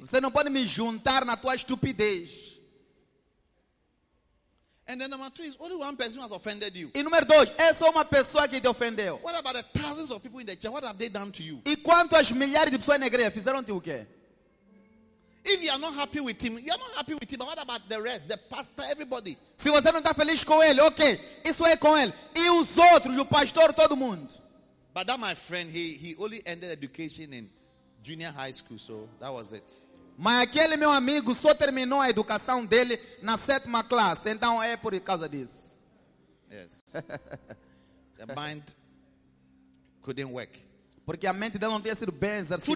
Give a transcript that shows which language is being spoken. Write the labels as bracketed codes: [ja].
[pt] Você não pode me juntar na tua estupidez. [en] And then number 2 is only one person has offended you. [pt] E número 2, é só uma pessoa que te ofendeu. [en] What about the thousands of people in the church? What have they done to you? [pt] E quantas milhares de pessoas na igreja fizeram-te o quê? [en] If you are not happy with him, you are not happy with him. But what about the rest, the pastor, everybody? [pt] Se você não está feliz com ele, ok. Isso é com ele. E os outros, o pastor, todo mundo. [en] But that my friend, he only ended education in junior high school, so that was it. [pt] Mas aquele meu amigo só terminou a educação dele na sétima classe, então é por causa disso. [en] Yes. The mind couldn't work. [pt] Porque a mente dele não tinha sido bem exercitada.